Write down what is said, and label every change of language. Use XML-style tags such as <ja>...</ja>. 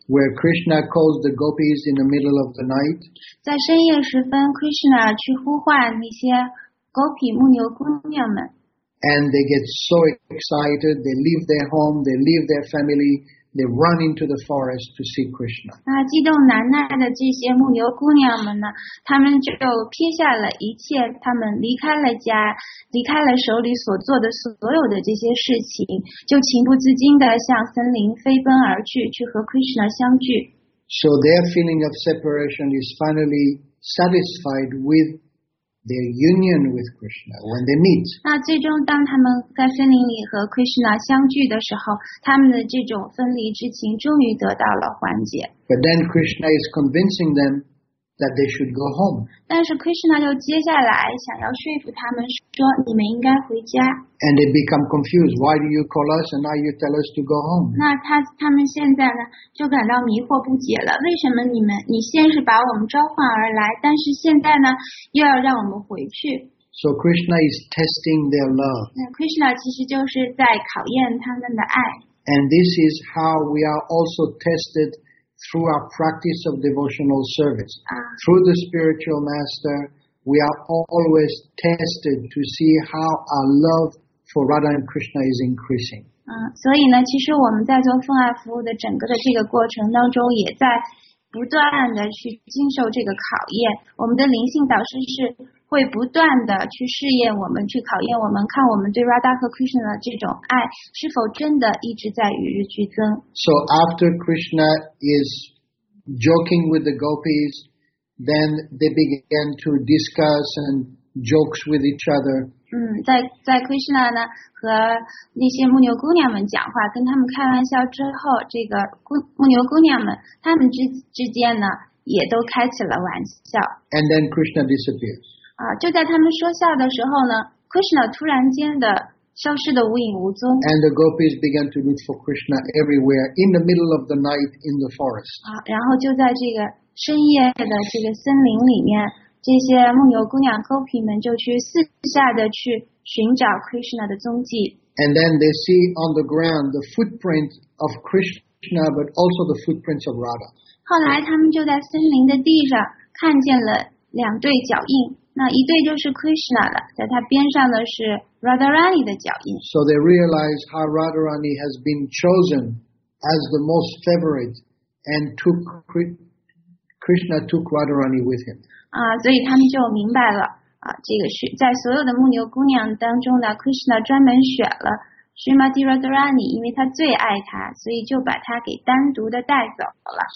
<en>Where Krishna calls the gopis in the middle of the night.</en> <zh>在深夜时分 ，Krishna 去呼唤那些 gopi 牧牛姑娘们。</zh> <en>And they get so excited, they leave their home, they leave their family, they run into the forest to see Krishna.</en> <zh>激动难耐的这些牧牛姑娘们呢，她们就撇下了一切，她们离开了家，离开了手里所做的所有的这些事情，就情不自禁地向森林飞奔而去，去和 Krishna 相聚。</zh> <en>So their feeling of separation is finally satisfied with their union with Krishna when they meet.</en> <zh>那最终当他们在森林里和 Krishna 相聚的时候，他们的这种分离之情终于得到了缓解。</zh> <en>But then Krishna is convincing them that they should go home.</en> <zh>但是 Krishna 就接下来想要说服他们说你们应该回家。</zh> <en>And they become confused. Why do you call us and now you tell us to go home?</en> <zh>那他们现在呢就感到迷惑不解了。为什么你先是把我们召唤而来，但是现在呢又要让我们回去？</zh> <en>So Krishna is testing their love.</en> <zh>那 Krishna 其实就是在考验他们的爱。</zh> <en>And this is how we are also tested through our practice of devotional service. Through the spiritual master, we are always tested to see how our love for Radha and Krishna is increasing.</en> <zh>所以呢，其实我们在做奉爱服务的整个的这个过程当中，也在不断的去经受这个考验。我们的灵性导师是会不断的去试验我们，去考验我们，看我们对 Radha 和 Krishna 的这种爱是否真的一直在与日俱增。</zh> <en>So after Krishna is joking with the gopis, then they begin to discuss and jokes with each other.</en> <zh>在 Krishna 呢和那些牧牛姑娘们讲话，跟他们开玩笑之后，这个牧牛姑娘们他们之间呢也都开起了玩笑。</zh> <en>And then Krishna disappears.</en> <zh>就在他们说笑的时候呢 ，Krishna 突然间的消失的无影无踪。</zh> <en>And the gopis began to look for Krishna everywhere in the middle of the night in the forest.</en> <zh>然后就在这个深夜的这个森林里面，这些牧牛姑娘 gopi 们就去四下的去寻找 Krishna 的踪迹。</zh> <en>And then they see on the ground the footprints of Krishna, but also the footprints of Radha.</en> <zh>后来他们就在森林的地上看见了两对脚印。那一对就是 Krishna 的，在他边上的是 Radharani 的脚印。</zh> <en>So they realize how Radharani has been chosen as the most favorite, and took Krishna took Radharani with him.</en> <zh>所以他们就明白了这个是在所有的牧牛姑娘当中呢 ，Krishna 专门选了 Srimati Radharani， 因为他最爱她，所以就把她给单独的带走了。</zh>